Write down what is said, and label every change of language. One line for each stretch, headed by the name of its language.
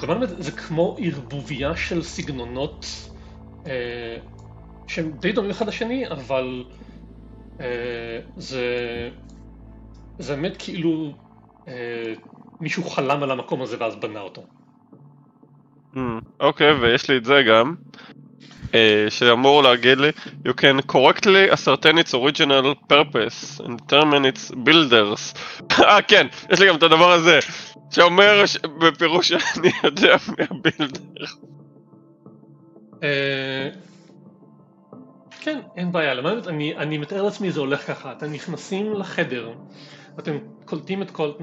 Hebrew: זאת אומרת, זה כמו ערבוביה של סגנונות שהם די דומים אחד לשני, אבל זה באמת כאילו מישהו חלם על המקום הזה ואז בנה אותו. אוקיי, ויש לי את זה גם, שאמור להגיד לי,
English: you can correctly ascertain its original purpose and determine its builders.
Hebrew: אה, כן, יש לי גם את הדבר הזה. שאומר בפירוש שאני יודע מהבילדר. כן, אין בעיה. למדת, אני מתאר לעצמי זה הולך ככה. אתם נכנסים לחדר, אתם קולטים את כל...